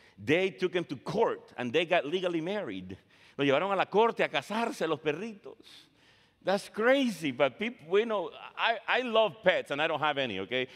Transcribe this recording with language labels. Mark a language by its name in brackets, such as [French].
[English] They took them to court and they got legally married. [Spanish] Lo llevaron a la corte a casarse los perritos. [English] That's crazy, but people, we know, I love pets and I don't have any, okay?